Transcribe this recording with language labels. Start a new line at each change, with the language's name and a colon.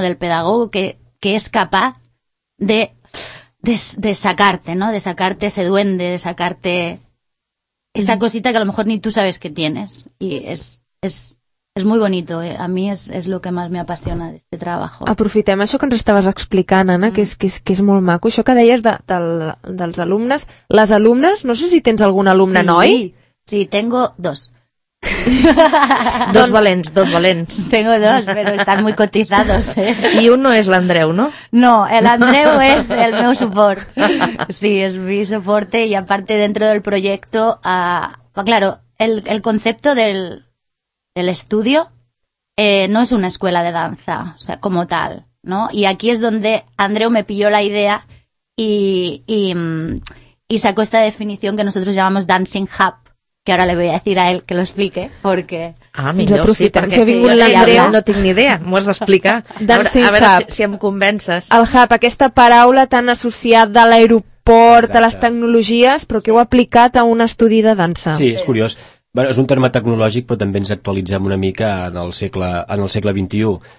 Spanish: Del pedagogo que es capaz de sacarte, ¿no? De sacarte ese duende, de sacarte esa cosita que a lo mejor ni tú sabes que tienes. Y es Es muy bonito, eh? A mí es lo que más me apasiona de este trabajo.
Catalan: Aprofitem això que ens estaves explicant, Anna, que és molt maco. Això que deies dels alumnes. Les alumnes, no sé si tens algun alumne noi.
Spanish: Sí, tengo dos.
Catalan: dos valents.
Spanish: Tengo dos, pero están muy cotizados, eh?
Catalan: I un no és l'Andreu, no? No, el Andreu es el meu suport.
Spanish: Sí, es mi soporte y aparte dentro del proyecto... claro, el concepto del estudio no es una escuela de danza, o sea, como tal, ¿no? Y aquí es donde Andreu me pilló la idea y sacó esta definición que nosotros llamamos Dancing Hub, que ahora le voy a decir a él que lo explique, porque...
Catalan: Ah, millor, sí, perquè si jo no tinc ni idea, m'ho has d'explicar. Dancing Hub. A veure si em convences. El Hub, aquesta paraula tan associada a l'aeroport, a les tecnologies, però que heu aplicat a un estudi de dansa. Sí, és curiós. Bueno, és un terme tecnològic, però també ens actualitzem una mica en el segle XXI.